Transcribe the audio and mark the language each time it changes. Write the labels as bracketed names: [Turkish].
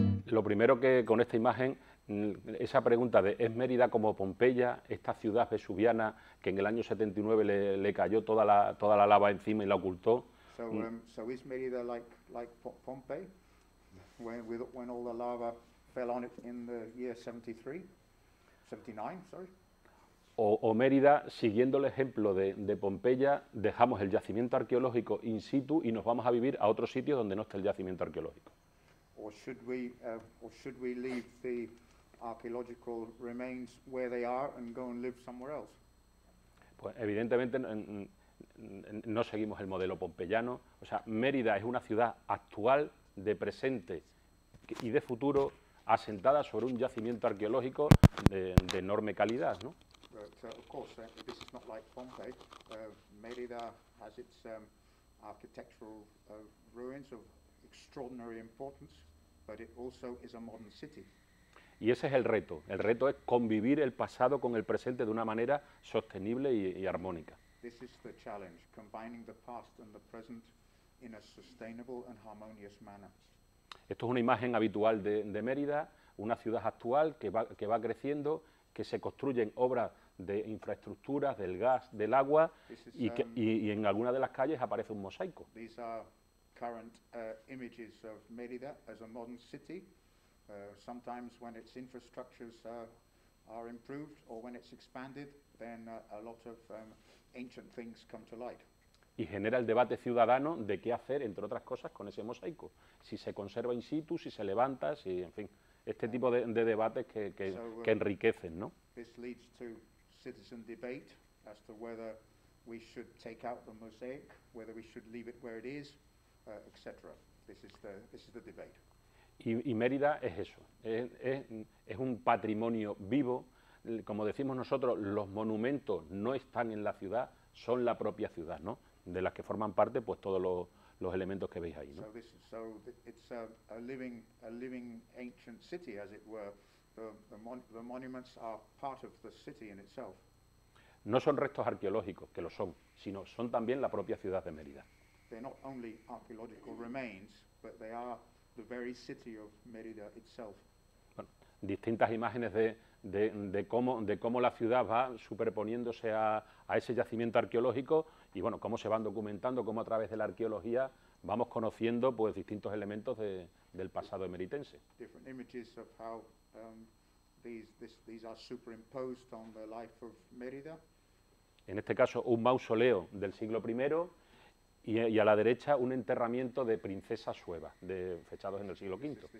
[Spanish] Lo primero que con esta imagen, esa pregunta de ¿es Mérida como Pompeya, esta ciudad vesuviana que en el año 79 le cayó toda la lava encima y la ocultó? [English] Is Mérida like Pompeii, when all the lava fell on it in the year 73, 79, sorry? [Spanish] O Mérida, siguiendo el ejemplo de Pompeya, dejamos el yacimiento arqueológico in situ y nos vamos a vivir a otro sitio donde no esté el yacimiento arqueológico. [English] Or should we leave the archaeological remains where they are and go and live somewhere else. [Spanish] Pues evidentemente no seguimos el modelo pompeyano. O sea, Mérida es una ciudad actual, de presente y de futuro, asentada sobre un yacimiento arqueológico de enorme calidad, ¿no? [English] But, of course, this is not like Pompeii. Mérida has its architectural ruins of extraordinary importance, but it also is a modern city. [Spanish] Y ese es el reto. El reto es convivir el pasado con el presente de una manera sostenible y armónica. [English] This is the challenge, combining the past and the present in a sustainable and harmonious manner. [Spanish] Esto es una imagen habitual de Mérida, una ciudad actual que va creciendo, que se construyen obras de infraestructuras, del gas, del agua, y en alguna de las calles aparece un mosaico. [English] These are current images of Mérida as a modern city. Sometimes when its infrastructures are improved or when it's expanded, then a lot of ancient things come to light. [Spanish] Y genera el debate ciudadano de qué hacer, entre otras cosas, con ese mosaico. Si se conserva in situ, si se levanta, si, en fin, este tipo de debates que enriquecen, ¿no? [English] This leads to citizen debate as to whether we should take out the mosaic, whether we should leave it where it is, etc. This is the debate. [Spanish] Y Mérida es eso, es un patrimonio vivo. Como decimos nosotros, los monumentos no están en la ciudad, son la propia ciudad, ¿no? De las que forman parte, pues, todos los elementos que veis ahí, ¿no? [English] So it's a living ancient city, as it were. The monuments are part of the city in itself. [Spanish] No son restos arqueológicos, que lo son, sino son también la propia ciudad de Mérida. [English] They're not only archaeological remains, but they are the very city of Mérida itself. [Spanish] Bueno, distintas imágenes de cómo la ciudad va superponiéndose a ese yacimiento arqueológico, y bueno, cómo se van documentando, cómo a través de la arqueología vamos conociendo, pues, distintos elementos del pasado emeritense. [English] Different images of how these are superimposed on the life of Mérida. [Spanish] En este caso, un mausoleo del siglo I, y a la derecha un enterramiento de princesa sueva, fechados en el siglo V.